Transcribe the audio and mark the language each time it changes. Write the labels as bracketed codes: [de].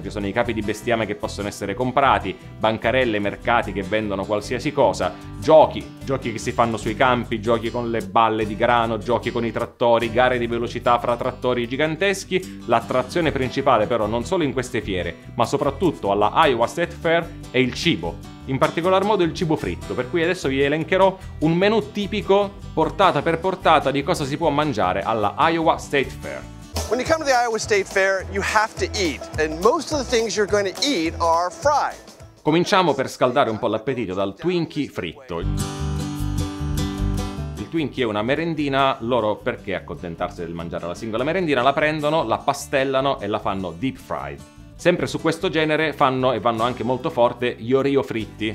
[it] Ci sono i capi di bestiame che possono essere comprati, bancarelle, mercati che vendono qualsiasi cosa, giochi che si fanno sui campi, giochi con le balle di grano, giochi con i trattori, gare di velocità fra trattori giganteschi. L'attrazione principale però non solo in queste fiere, ma soprattutto alla Iowa State Fair, è il cibo. In particolar modo il cibo fritto, per cui adesso vi elencherò un menù tipico portata per portata di cosa si può mangiare alla Iowa State Fair. [en] When you come to the Iowa State Fair, you have to eat, and most of the things you're going to eat are fried. [it] Cominciamo per scaldare un po' l'appetito dal Twinkie fritto. Il Twinkie è una merendina, loro perché accontentarsi del mangiare la singola merendina? La prendono, la pastellano e la fanno deep fried. Sempre su questo genere fanno, e vanno anche molto forte, gli Oreo fritti.